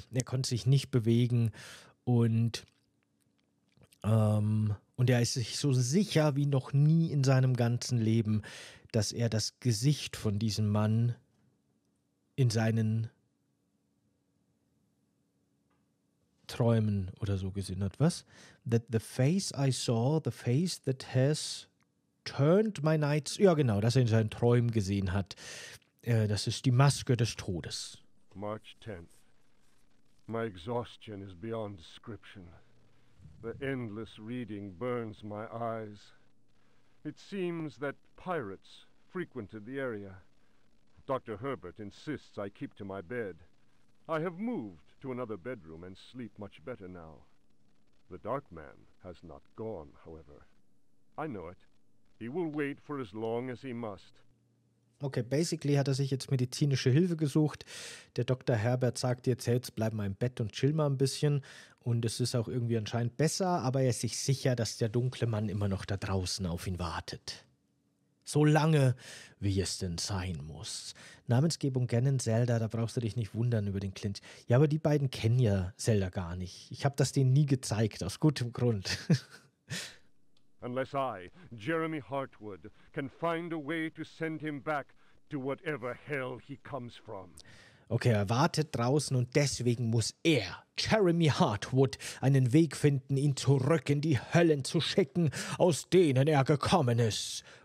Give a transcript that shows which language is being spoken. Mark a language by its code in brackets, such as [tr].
[de] Er konnte sich nicht bewegen, und er ist sich so sicher wie noch nie in seinem ganzen Leben, dass er das Gesicht von diesem Mann in seinen Träumen oder so gesehen hat. Was? [en] That the face I saw, the face that has turned my nights. [de] Ja, genau, dass er in seinen Träumen gesehen hat. Das ist die Maske des Todes. [en] March 10th. My exhaustion is beyond description. The endless reading burns my eyes. It seems that pirates frequented the area. Dr. Herbert insists I keep to my bed. I have moved to another bedroom and sleep much better now. The Dark Man has not gone, however. I know it. He will wait for as long as he must. [de] Okay, basically hat er sich jetzt medizinische Hilfe gesucht. Der Dr. Herbert sagt jetzt, hey, jetzt bleib mal im Bett und chill mal ein bisschen. Und es ist auch irgendwie anscheinend besser, aber er ist sich sicher, dass der dunkle Mann immer noch da draußen auf ihn wartet. So lange, wie es denn sein muss. Namensgebung Ganon, Zelda, da brauchst du dich nicht wundern über den Clinch. Ja, aber die beiden kennen ja Zelda gar nicht. Ich habe das denen nie gezeigt, aus gutem Grund. [en] Unless I, Jeremy Hartwood, can find a way to send him back to whatever hell he comes from. [de] Okay, er wartet draußen, und deswegen muss er, Jeremy Hartwood, einen Weg finden, ihn zurück in die Höllen zu schicken, aus denen er gekommen ist.